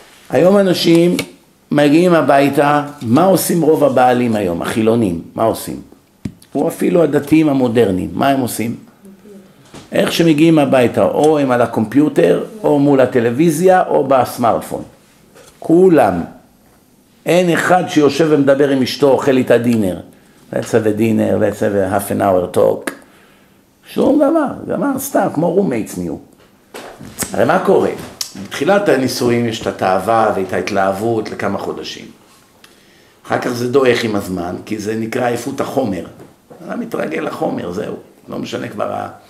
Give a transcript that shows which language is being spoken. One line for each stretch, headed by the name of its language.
Hebrew: היום אנשים מגיעים הביתה, מה עושים רוב הבעלים היום, החילונים? מה עושים? או אפילו הדתיים המודרניים, מה הם עושים? איך שמגיעים הביתה, או הם על הקומפיוטר, או מול הטלוויזיה, או בסמארטפון. כולם. אין אחד שיושב ומדבר עם אשתו, אוכל איתה דינר.
English: Let's have a dinner, let's have a half an hour talk.
Hebrew: שום דבר, גמר, סתם, כמו roommates new. הרי מה קורה? בתחילת הניסויים יש את התאווה ואת ההתלהבות לכמה חודשים. אחר כך זה דוח עם הזמן, כי זה נקרא עייפות החומר. אני מתרגל לחומר, זהו. לא משנה כבר ה...